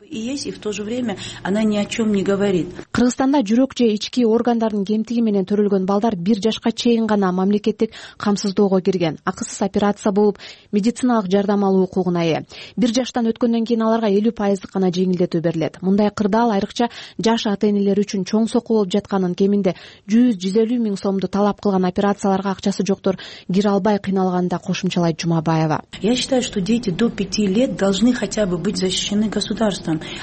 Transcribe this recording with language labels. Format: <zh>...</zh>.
<ru>Есть, и в то же время она ни о чем не говорит.</ru> <ky>Кыргызстанда жүрөк же ички органдардын кемтиги менен төрөлгөн балдар бир жашка чейин гана мамлекеттик камсыздоого кирген. Акысыз операция болуп, медициналык жардам алуу укугуна ээ. Бир жаштан өткөндөн кийин аларга 50% гана жеңилдетүү берилет. Мындай кырдаал айрыкча жаш ата-энелер үчүн чоң соку болуп жатканын, кеминде 100-150 миң сомду талап кылган операцияларга акчасы жоктор кире албай кыйналганын да кошумчалайт Жумабаева.</ky> <ru>Я считаю, что дети до 5 лет должны хотя бы быть защищены государством.</ru>